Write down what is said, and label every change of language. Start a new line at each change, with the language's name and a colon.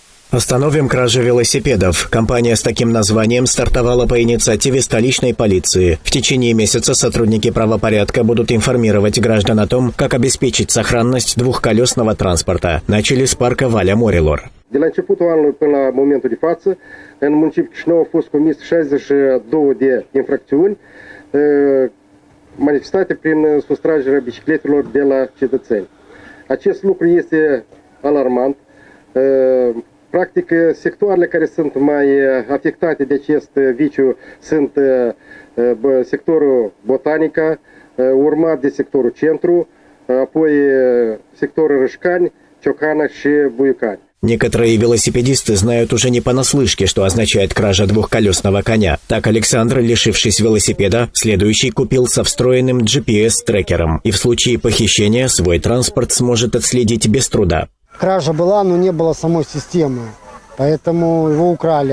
Russian: Остановим кражи велосипедов. Компания с таким названием стартовала по инициативе столичной полиции. В течение месяца сотрудники правопорядка будут информировать граждан о том, как обеспечить сохранность двухколесного транспорта. Начали с парка Валя Морилор.
Romanian: De la începutul anului până la momentul de față, în municipiul Chișinău au fost comis 62 de infracțiuni manifestate prin sustragerea bicicletelor de la cetățeni. Acest lucru este alarmant. Practic, sectoarele care sunt mai afectate de acest viciu sunt sectorul Botanica, urmat de sectorul Centru, apoi sectorul Râșcani, Ciocana și Buiucani.
Russian: Некоторые велосипедисты знают уже не понаслышке, что означает кража двухколесного коня. Так Александр, лишившись велосипеда, следующий купил со встроенным GPS-трекером. И в случае похищения свой транспорт сможет отследить без труда. Кража была, но не было самой системы, поэтому его украли.